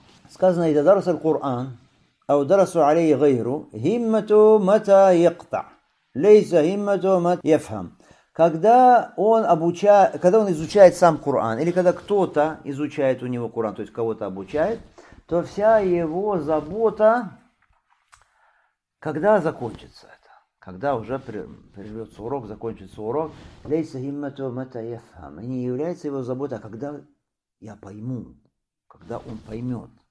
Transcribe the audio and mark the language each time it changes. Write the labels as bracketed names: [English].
[Russian] Сказано, это Дараса Коран. [Arabic] أو درسوا عليه غيره همته متى يقطع ليس همته متى يفهم. [Russian] Когда он обучает, когда он изучает сам Коран, или когда кто-то изучает у него Коран, то есть кого-то обучает, то вся его забота, когда закончится это, когда уже прервется урок, закончится урок, [Arabic] ليس همته متى يفهم, [Russian] не является его забота, когда я пойму, когда он поймет.